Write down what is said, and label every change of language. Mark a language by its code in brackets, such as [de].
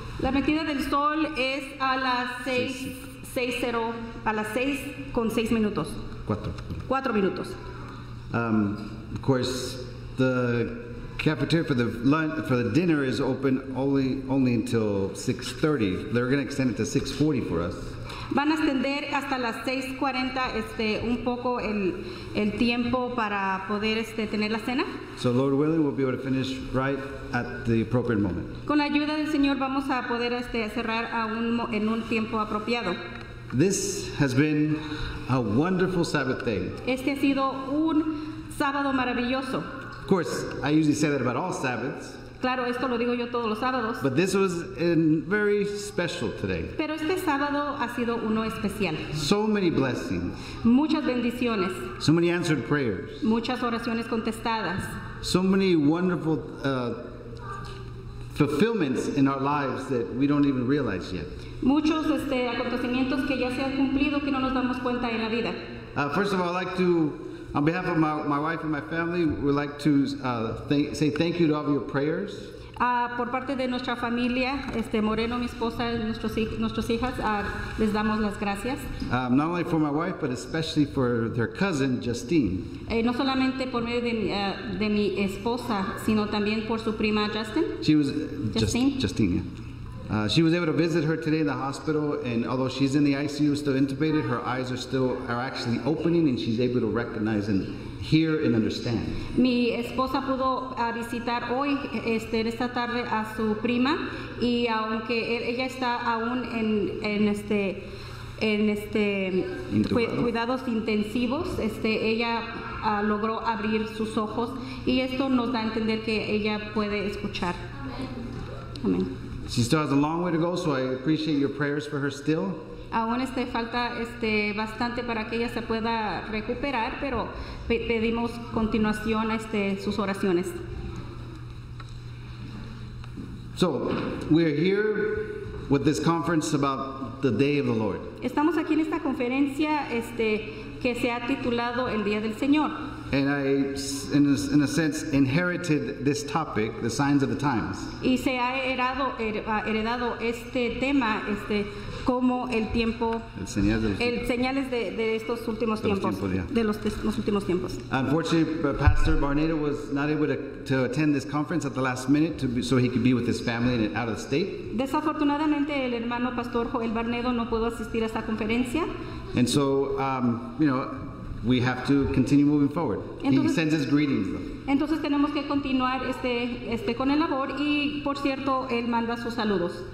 [es] La metida del sol es a las 6:00, a las 6:06. Cuatro minutos. [en] Of course, the cafeteria for the lunch, for the dinner is open only until 6:30. They're going to extend it to 6:40 for us. [es] Van a extender hasta las 6:40 un poco el tiempo para poder tener la cena. [en] So Lord willing, we'll be able to finish right at the appropriate moment. [es] Con la ayuda del Señor vamos a poder cerrar en un tiempo apropiado. [en] This has been a wonderful Sabbath day. [es] Este ha sido un sábado maravilloso. [en] Of course, I usually say that about all Sabbaths. [es] Claro, esto lo digo yo todos los sábados. [en] But this was very special today. [es] Pero este sábado ha sido uno especial. [en] So many blessings. [es] Muchas bendiciones. [en] So many answered prayers. [es] Muchas oraciones contestadas. [en] So many wonderful fulfillments in our lives that we don't even realize yet. [es] Muchos acontecimientos que ya se han cumplido que no nos damos cuenta en la vida. [en] First of all, I'd like to, on behalf of my wife and my family, we'd like to say thank you to all of your prayers. [es] Por parte de nuestra familia, Moreno, mi esposa, nuestros hijas, les damos las gracias. [en] Not only for my wife, but especially for their cousin, Justine. [es] No solamente por medio de mi esposa, sino también por su prima, Justine. [en] She was, Justine, yeah. She was able to visit her today in the hospital, and although she's in the ICU, still intubated, her eyes are actually opening, and she's able to recognize and hear and understand. [es] Mi esposa pudo visitar hoy, esta tarde, a su prima, y aunque ella está aún en cuidados intensivos, ella logró abrir sus ojos, y esto nos da a entender que ella puede escuchar. Amén. [en] She still has a long way to go, so I appreciate your prayers for her still. [es] Aún falta bastante para que ella se pueda recuperar, pero pedimos continuación sus oraciones. [en] So, we are here with this conference about the Day of the Lord. [es] Estamos aquí en esta conferencia que se ha titulado El Día del Señor. [en] And I, in a sense, inherited this topic, the signs of the times. [es] Y se ha heredado tema, como el tiempo, el señales de estos últimos tiempos. [en] Unfortunately, Pastor Barneda was not able to attend this conference at the last minute so he could be with his family and out of the state. [es] Desafortunadamente, el hermano Pastor Joel Barneda no pudo asistir a esta conferencia. [en] And so, we have to continue moving forward. [es] Entonces, [en] he sends his greetings, though. [es] Entonces tenemos que continuar con el labor, y por cierto, él manda sus saludos.